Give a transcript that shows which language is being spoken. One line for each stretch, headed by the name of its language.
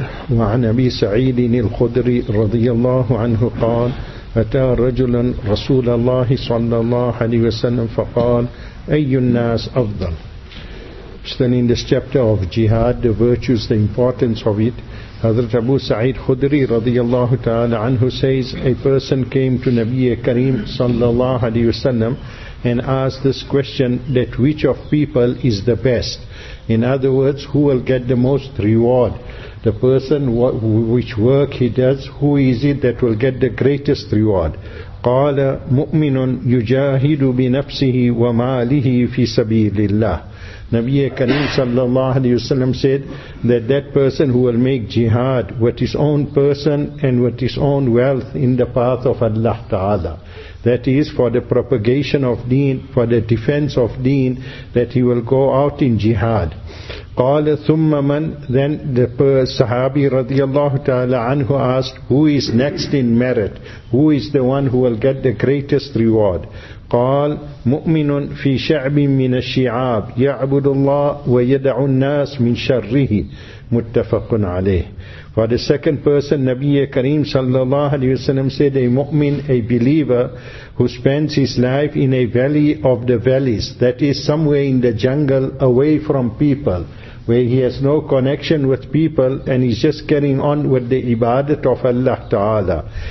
Arabic: وعن أبي سعيد الخدري رضي الله عنه قال أتى رجلا رسول الله صلى الله عليه وسلم فقال أي الناس أفضل.
English: Studying this chapter of jihad, the virtues, the importance of it, Hazrat Abu Sa'id Khudri radiyallahu ta'ala anhu says, a person came to Nabiyyi Kareem sallallahu alayhi wa sallam and asked this question, that which of people is the best? In other words, who will get the most reward? The person, which work he does, who is it that will get the greatest reward?
Arabic: قَالَ مُؤْمِنٌ يُجَاهِدُ بِنَفْسِهِ وَمَالِهِ فِي سَبِيلِ اللَّهِ.
English: Nabi Karim sallallahu alayhi wa sallam said that person who will make jihad with his own person and with his own wealth in the path of Allah Ta'ala, that is for the propagation of deen, for the defense of deen, that he will go out in jihad.
Arabic: قال ثم من,
English: then the Sahabi radiyallahu ta'ala anhu asked, who is next in merit? Who is the one who will get the greatest reward?
Arabic: قال مؤمن في شعب من الشعاب يعبد الله ويدع الناس من شره. متفق عليه.
English: For the second person, Nabiyyi Kareem sallallahu alayhi wa sallam said, a mu'min, a believer, who spends his life in a valley of the valleys, that is somewhere in the jungle away from people, where he has no connection with people and he's just carrying on with the ibadat of Allah Ta'ala.